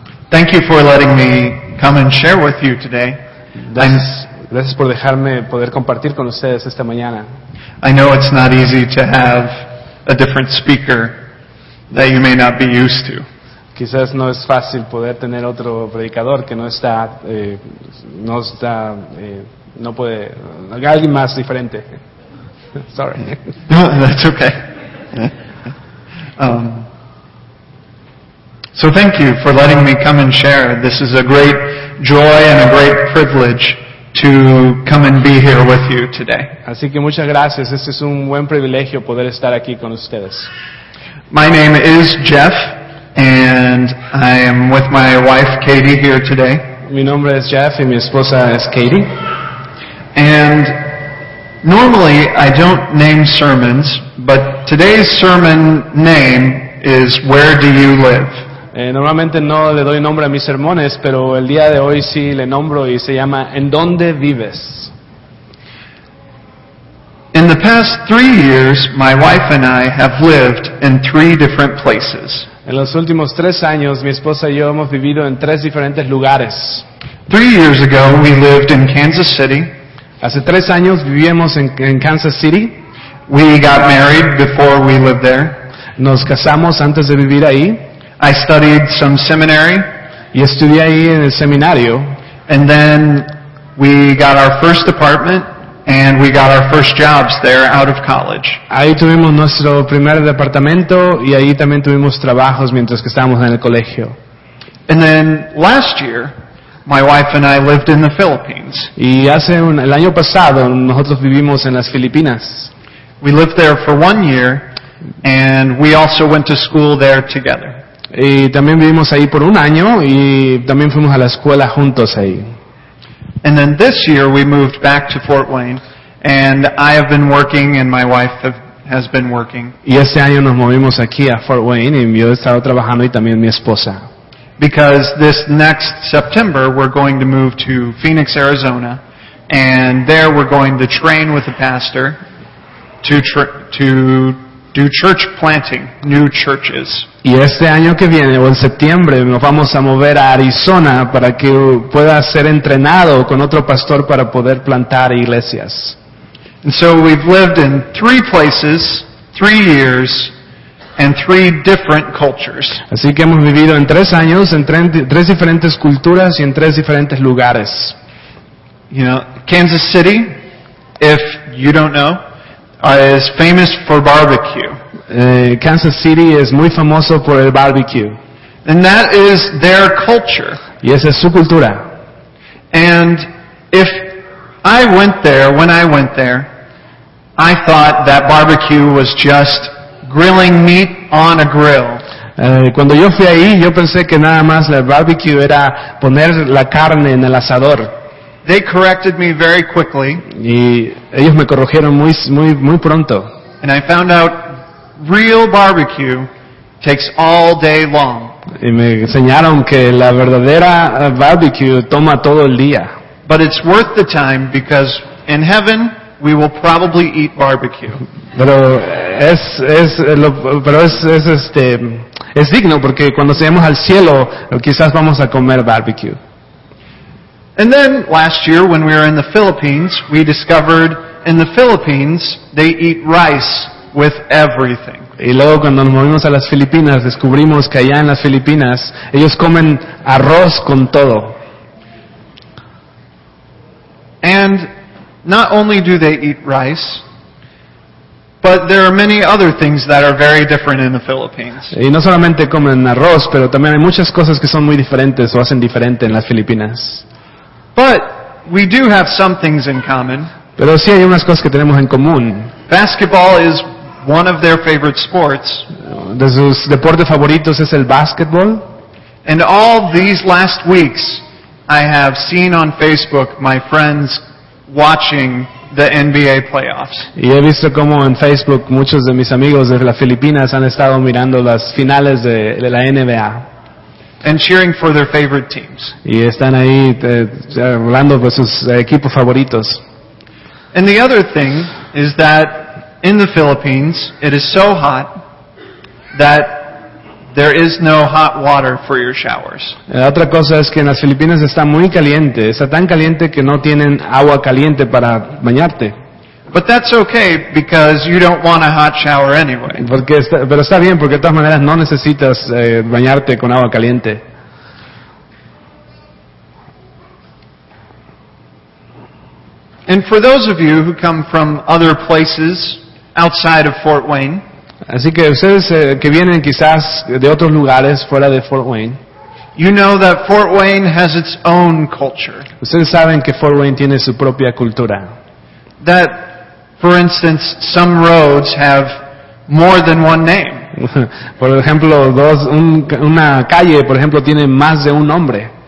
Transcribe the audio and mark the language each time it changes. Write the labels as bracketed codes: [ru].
[en] Thank you for letting me come and share with you today. [es] Gracias por dejarme poder compartir con ustedes esta mañana. [en] I know it's not easy to have a different speaker that you may not be used to. [es] Quizás no es fácil poder tener otro predicador que no puede alguien más diferente. [en] Sorry. That's okay. So thank you for letting me come and share. This is a great joy and a great privilege to come and be here with you today. [es] Así que muchas gracias. Este es un buen privilegio poder estar aquí con ustedes. [en] My name is Jeff, and I am with my wife Katie here today. [es] Mi nombre es Jeff y mi esposa es Katie. [en] And normally I don't name sermons, but today's sermon name is Where Do You Live? [es] Normalmente no le doy nombre a mis sermones, pero el día de hoy sí le nombro y se llama ¿En dónde vives? [en] In the past 3 years, my wife and I have lived in 3 different places. [es] En los últimos 3 años, mi esposa y yo hemos vivido en 3 diferentes lugares. [en] 3 years ago, we lived in Kansas City. [es] Hace 3 años vivíamos en Kansas City. [en] We got married before we lived there. [es] Nos casamos antes de vivir ahí. [en] I studied some seminary. [es] Y estudié ahí en el seminario. [en] And then we got our first apartment and we got our first jobs there out of college. [es] Ahí tuvimos nuestro primer departamento y ahí también tuvimos trabajos mientras que estábamos en el colegio. [en] And then last year, my wife and I lived in the Philippines. [es] Y hace el año pasado nosotros vivimos en las Filipinas. [en] We lived there for 1 year and we also went to school there together. [es] Y también vivimos ahí por 1 año y también fuimos a la escuela juntos ahí. [en] And then this year we moved back to Fort Wayne and I have been working and my wife has been working. [es] Y este año nos movimos aquí a Fort Wayne y yo he estado trabajando y también mi esposa. [en] Because this next September we're going to move to Phoenix, Arizona, and there we're going to train with a pastor to do church planting, new churches. [es] Y este año que viene, o en septiembre, nos vamos a mover a Arizona para que pueda ser entrenado con otro pastor para poder plantar iglesias. [en] And so we've lived in 3 places, 3 years, and 3 different cultures. [es] Así que hemos vivido en 3 años, en 3 diferentes culturas y en 3 diferentes lugares. [en] You know, Kansas City, if you don't know, is famous for barbecue. [es] Kansas City is muy famoso por el barbecue. [en] And that is their culture. [es] Y esa es su cultura. [en] And if I went there, when I went there, I thought that barbecue was just grilling meat on a grill. [es] Cuando yo fui ahí, yo pensé que nada más el barbecue era poner la carne en el asador. [en] They corrected me very quickly. [es] Y ellos me corrigieron muy muy muy pronto. [en] And I found out real barbecue takes all day long. [es] Y me enseñaron que la verdadera barbecue toma todo el día. [en] But it's worth the time because in heaven we will probably eat barbecue. [es] Pero es digno porque cuando lleguemos al cielo quizás vamos a comer barbecue. [en] And then last year when we were in the Philippines, we discovered in the Philippines they eat rice with everything. [es] Y luego cuando nos movimos a las Filipinas, descubrimos que allá en las Filipinas ellos comen arroz con todo. [en] And not only do they eat rice, but there are many other things that are very different in the Philippines. [es] Y no solamente comen arroz, pero también hay muchas cosas que son muy diferentes o hacen diferente en las Filipinas. [en] But we do have some things in common. [es] Pero sí hay unas cosas que tenemos en común. [en] Basketball is one of their favorite sports. [es] De sus deportes favoritos es el basketball. [en] And all these last weeks, I have seen on Facebook my friends watching the NBA playoffs. [es] Y he visto cómo en Facebook muchos de mis amigos de las Filipinas han estado mirando las finales de la NBA. [en] And cheering for their favorite teams. [es] Y están ahí hablando de sus equipos favoritos. [en] And the other thing is that in the Philippines, it is so hot that There is no hot water for your showers. [es] La otra cosa es que en las Filipinas está muy caliente, está tan caliente que no tienen agua caliente para bañarte. [en] But that's okay because you don't want a hot shower anyway. [es] Porque pero está bien porque de todas maneras no necesitas bañarte con agua caliente. [en] And for those of you who come from other places outside of Fort Wayne, [es] así que ustedes que vienen quizás de otros lugares fuera de Fort Wayne, [en] you know that Fort Wayne has its own culture. [es] Ustedes saben que Fort Wayne tiene su propia cultura. [en] That, for instance, some roads have more than one name. [es] Por ejemplo, una calle, por ejemplo, tiene más de un nombre.